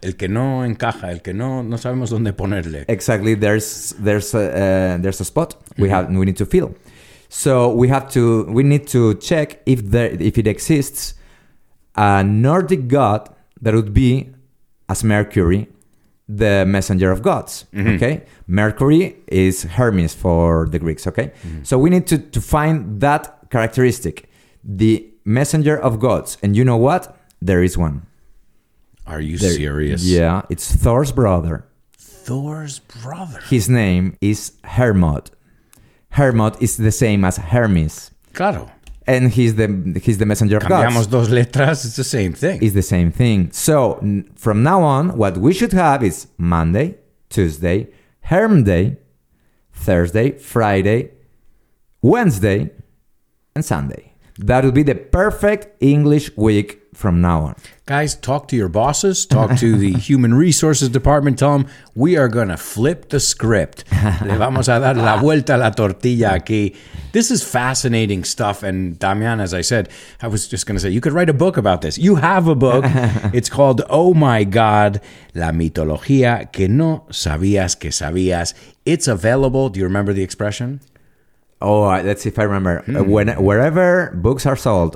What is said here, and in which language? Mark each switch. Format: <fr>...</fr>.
<es>El que no encaja, el que no, no sabemos dónde ponerle.</es> <en>Exactly. There's a spot we need to fill. So we need to check if it exists a Nordic god that would be as Mercury, the messenger of gods. Mm-hmm. Okay, Mercury is Hermes for the Greeks. Okay, so we need to find that characteristic, the messenger of gods. And you know what? There is one. Are you serious? Yeah, it's Thor's brother. Thor's brother. His name is Hermod. Hermod is the same as Hermes.</en> <es>Claro.</es> <en>And he's the messenger of gods.</en> <es>Cambiamos dos letras,</es> <en>it's the same thing. It's the same thing. So, from now on, what we should have is Monday, Tuesday, Herm Day, Thursday, Friday, Wednesday, and Sunday. That would be the perfect English week from now on. Guys, talk to your bosses. Talk to the human resources department. Tell them, we are going to flip the script.</en> <es>Le vamos a dar la vuelta a la tortilla aquí.</es> <en>This is fascinating stuff. And Damian, as I said, I was just going to say, you could write a book about this. You have a book. It's called, Oh My God, La Mitología Que No Sabías Que Sabías. It's available. Do you remember the expression? Oh, let's see if I remember. Wherever books are sold.</en>